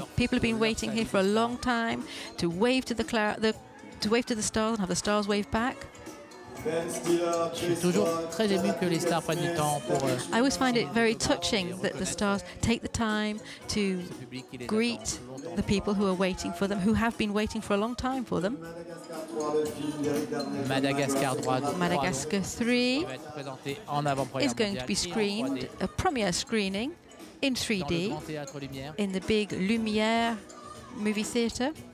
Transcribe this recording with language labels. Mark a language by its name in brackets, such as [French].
[English] People have been waiting here for a long time to wave to the stars and have the stars wave back. [French] Je suis toujours très ému que les stars prennent du temps pour. [English] I always find it very touching that the stars take the time to greet the people who are waiting for them, who have been waiting for a long time for them. Madagascar 3. Madagascar 3 is going to be screened, a premiere screening in 3D in the big Lumière movie theater.